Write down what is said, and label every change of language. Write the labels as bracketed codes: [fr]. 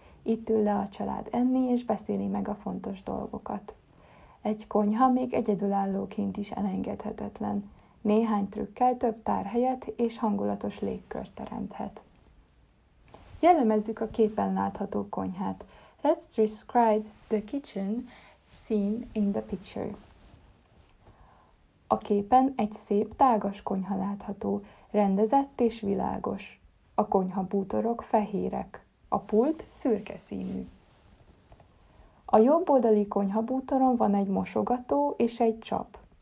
[hu] Itt ül le a család enni és beszéli meg a fontos dolgokat. Egy konyha még egyedülállóként is elengedhetetlen. Néhány trükkel több tárhelyet és hangulatos légkört teremthet. Jellemezzük a képen látható konyhát. [en] Let's describe the kitchen seen in the picture. [hu] A képen egy szép tágas konyha látható, rendezett és világos. A konyha bútorok fehérek, a pult szürke színű. A jobb oldali konyhabútoron van egy mosogató és egy csap.